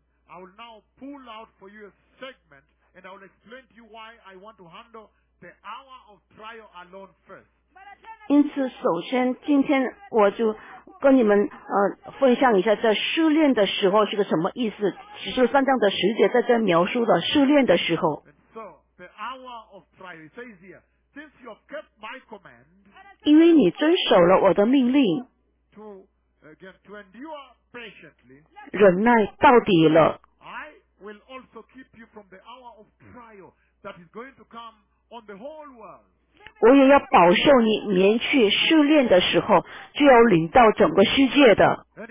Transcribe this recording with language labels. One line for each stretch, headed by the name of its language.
English: I will now pull out for you a segment and I will explain to you why I want to handle the hour of trial alone first.
Chinese: 因此首先今天我就跟你们分享一下在试炼的时候是个什么意思。启示录三章的十节在这描述的试炼的时候。
English: So, the hour of trial, it says here, since you have kept my command,
Chinese: 因为你遵守了我的命令。
English: To endure patiently,
Chinese: 忍耐到底了，我也要保守你免去试炼的时候就要临到整个世界的。